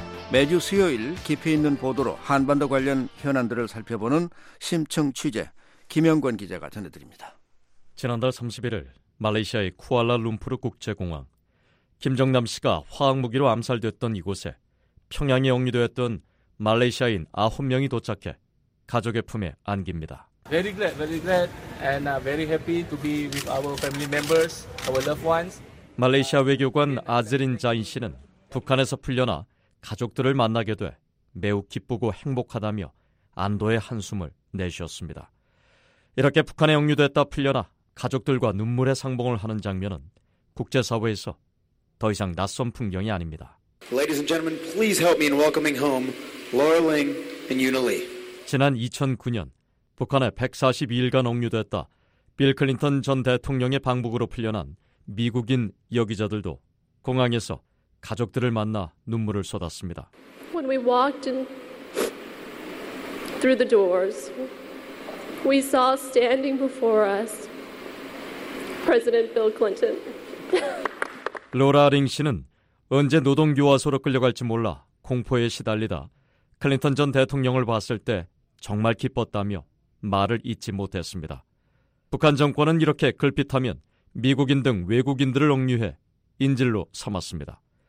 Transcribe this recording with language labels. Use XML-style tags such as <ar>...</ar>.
<ko>매주 수요일 깊이 있는 보도로 한반도 관련 현안들을 살펴보는 심층 취재 김영권 기자가 전해드립니다. 지난달 31일 말레이시아의 쿠알라룸푸르 국제공항 김정남 씨가 화학무기로 암살됐던 이곳에 평양에 억류되었던 말레이시아인 9명이 도착해 가족의 품에 안깁니다.</ko> <en>Very glad, very glad and very happy to be with our family members, our loved ones.</en> <ko>말레이시아 외교관 아즈린 자인 씨는 북한에서 풀려나 가족들을 만나게 돼 매우 기쁘고 행복하다며 안도의 한숨을 내쉬었습니다. 이렇게 북한에 억류됐다 풀려나 가족들과 눈물의 상봉을 하는 장면은 국제사회에서 더 이상 낯선 풍경이 아닙니다.</ko> <en>Ladies and gentlemen, please help me in welcoming home Laura Ling and Yuna Lee.</en> <ko>지난 2009년 북한에 142일간 억류됐다 빌 클린턴 전 대통령의 방북으로 풀려난 미국인 여기자들도 공항에서 가족들을 만나 눈물을 쏟았습니다.</ko> <en>When we walked in through the doors, we saw standing before us President Bill Clinton.</en> <ko>로라 링 씨는 언제 노동교화소로 끌려갈지 몰라 공포에 시달리다 클린턴 전 대통령을 봤을 때 정말 기뻤다며 말을 잊지 못했습니다. 북한 정권은 이렇게 글핏하면 미국인 등 외국인들을 억류해 인질로 삼았습니다.</ko>